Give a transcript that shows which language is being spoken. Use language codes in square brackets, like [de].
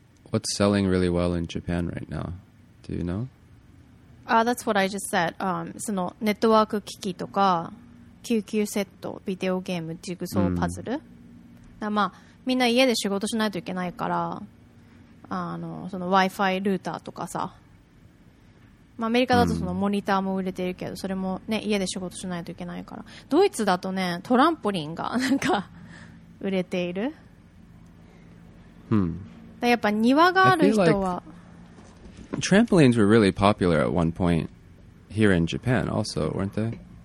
[en] What's selling really well in Japan right now? Do you know? That's what I just said. [ja] そのネットワーク機器とか救急セット、ビデオゲーム、ジグソーパズル。だまあみんな家で仕事しないといけないから、その Wi-Fi ルーターとかさ。まあ、アメリカだとそのモニターも売れてるけど、それもね家で仕事しないといけないから。ドイツだとねトランポリンがなんか売れている、うん、だやっぱ庭がある人は、 [en] トランポリンズ were really popular at one point here in Japan also, weren't they?